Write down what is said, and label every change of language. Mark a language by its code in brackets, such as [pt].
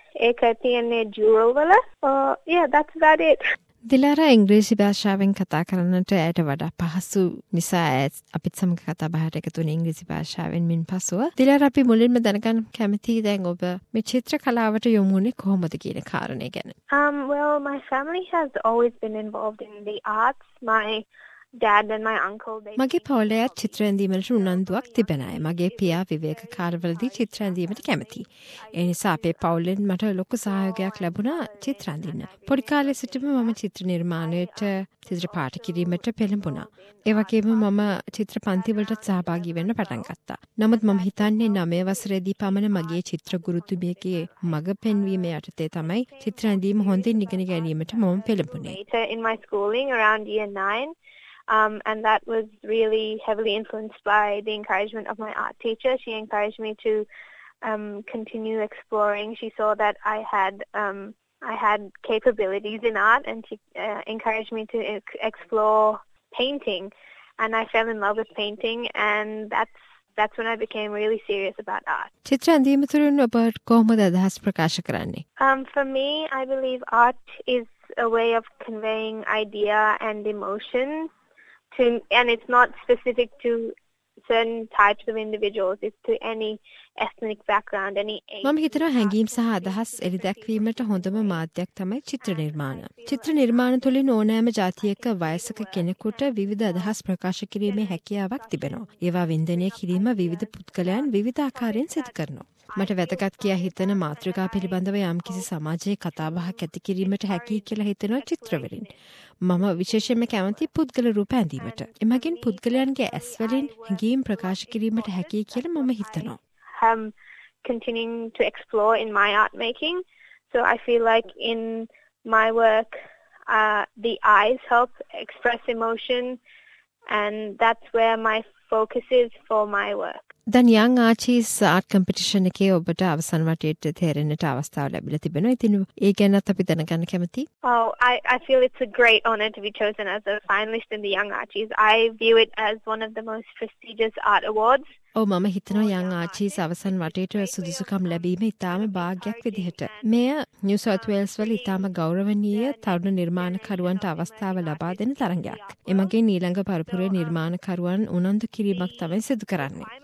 [si] ඒක තියෙන්නේ ජූරෝ වල. [en] That's about it. [si] දිලාරා, ඉංග්‍රීසි භාෂාවෙන් කතා කරන්නට ඇයට වඩා පහසු නිසා ඇත් අපිත් සමග කතා බහට එකතුනේ ඉංග්‍රීසි භාෂාවෙන් මින් පසුව. දිලාරා, අපි මුලින්ම දැනගන්න කැමතියි දැන් ඔබ මේ චිත්‍ර කලාවට යොමු වුණේ කොහොමද කියන කාරණේ ගැන. [en] Well, my family has always been involved in the arts. My dad and my uncle, they [si] මගේ පවුලේ චිත්‍ර ඇඳීමට උනන්දුවක් තිබෙන අය. මගේ පියා විවේක කාලවලදී චිත්‍ර ඇඳීමට කැමති. ඒ නිසා අපේ පවුලෙන් මට ලොකු සහයෝගයක් ලැබුණා චිත්‍ර ඇඳින්න. පොඩි කාලේ සිටම මම චිත්‍ර නිර්මාණයට චිත්‍රපට කිරීමට පෙළඹුණා. ඒ වගේම මම චිත්‍ර පන්තිවලටත් සහභාගී වෙන්න පටන් ගත්තා. නමුත් මම හිතන්නේ 9 වසරේදී පමණ මගේ චිත්‍ර ගුරුතුමියගේ මඟ පෙන්වීම යටතේ තමයි චිත්‍ර ඇඳීම හොඳින් ඉගෙන ගැනීමට මම පෙළඹුණේ. [en] And that was really heavily influenced by the encouragement of my art teacher. She encouraged me to continue exploring. She saw that I had capabilities in art, and she encouraged me to explore painting, and I fell in love with painting, and that's when I became really serious about art. [si] චිත්‍ර ඇඳීම තුළින් ඔබට කොහොමද අදහස් ප්‍රකාශ කරන්නේ? [en] For me, I believe art is a way of conveying idea and emotion. And it's not specific to certain types of individuals, it's to any ethnic background, any age. [si] මම හිතනවා හැඟීම් සහ අදහස් එළි දැක්වීමට හොඳම මාධ්‍යයක් තමයි චිත්‍ර නිර්මාණ. චිත්‍ර නිර්මාණ තුළින් ඕනෑම ජාතියක වයසක කෙනෙකුට විවිධ අදහස් ප්‍රකාශ කිරීමේ හැකියාවක් තිබෙනවා. ඒවා වින්දනය කිරීම විවිධ පුද්ගලයන් විවිධ ආකාරයෙන් සිදු කරනවා. මට වැදගත් කියා හිතන මාතෘකා පිළිබඳව යම්කිසි සමාජයේ කතාබහක් ඇති කිරීමට හැකියි කියලා හිතන චිත්‍රවලින් මම විශේෂයෙන්ම කැමති පුද්ගල රූප ඇඳීමට. එමගින් පුද්ගලයන්ගේ ඇස්වලින් හැඟීම් ප්‍රකාශ කිරීමට හැකියි කියලා මම හිතනවා. [en] Continuing to explore in my art making, so I feel like in my work the eyes help express emotion, and that's where my focus is for my work. [si] දැන් යං ආචීස් ආර්ට් කම්පිටිෂන් එකේ ඔබට අවසන් වටයට තේරෙන්නට අවස්ථාව ලැබිලා තිබෙනවා. ඉතින් ඒ ගැනත් අපි දැනගන්න කැමති. [en] I feel it's a great honor to be chosen as a finalist in the Young Archies. I view it as one of the most prestigious art awards. [si] ඔව්, මම හිතනවා යං ආචීස් අවසන් වටයට සුදුසුකම් ලැබීම ඉතාම භාග්‍යයක් විදිහට. මෙය නිව් සවුත් වේල්ස් වල ඉතාම ගෞරවනීය තරුණ නිර්මාණකරුවන්ට අවස්ථාව ලබා දෙන තරගයක්. එමගින් ඊළඟ පරපුරේ නිර්මාණකරුවන් උනන්දු කිරීමක් තමයි සිදු කරන්නේ.